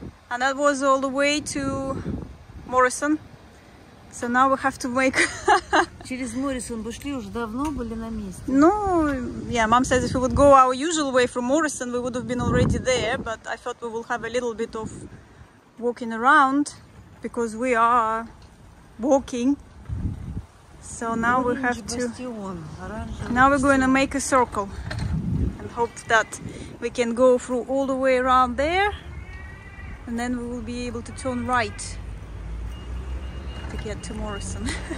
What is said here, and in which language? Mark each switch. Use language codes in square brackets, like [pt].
[en] And that was all the way to Morrison. So now we have to make. [ru] Через Моррисон пошли уже давно были на месте. [en] No, yeah, mom says if we would go our usual way from Morrison, we would have been already there. But I thought we will have a little bit of walking around because we are walking. So now we have to. Now we're going to make a circle and hope that we can go through all the way around there, and then we will be able to turn right. To get to Morrison.